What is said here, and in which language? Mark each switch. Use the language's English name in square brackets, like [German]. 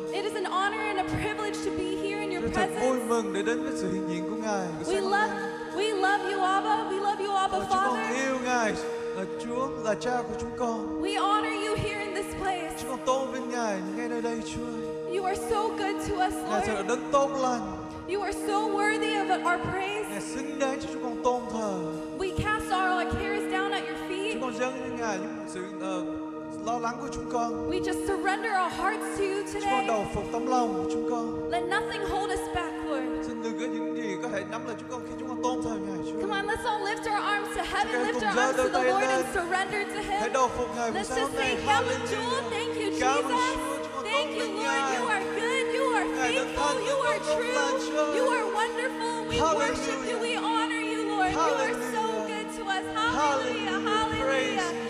[English] It is an honor and a privilege to be here in your presence. [Vietnamese] Chúng con vui mừng để đến với sự hiện diện của Ngài. [English] We love you, Abba. We love you, Abba, Father. [Vietnamese] Chúng con yêu Ngài, là Chúa, là Cha của chúng con. [English] We honor you here in this place. [Vietnamese] Chúng con tôn vinh Ngài ngay nơi đây, Chúa. [English] You are so good to us, Lord. [Vietnamese] Ngài thật là đấng tốt lành. [English] You are so worthy of our praise. [Vietnamese] Ngài xứng đáng cho chúng con tôn thờ. [English] We cast all our cares down at your feet. [Vietnamese] Chúng con dâng lên Ngài những sự lo lắng của chúng con. [English] We just surrender our hearts to you today. [Vietnamese] Chúng con đầu phục tấm lòng của chúng con. [English] Let nothing hold us back, Lord. [Vietnamese] Xin đừng có những gì có thể nắm lại chúng con khi chúng con tôn thờ Ngài. [English] Come on, let's all lift our arms to heaven, lift our arms to the Lord and surrender to Him. [Vietnamese] Hãy đầu phục Ngài. [English] Let's just say, "Come and Jewel, thank you, Jesus. Thank you, Lord. You are good. You are faithful. You are true. You are wonderful. We worship you. We honor you, Lord. You are so good to us. Hallelujah. Hallelujah.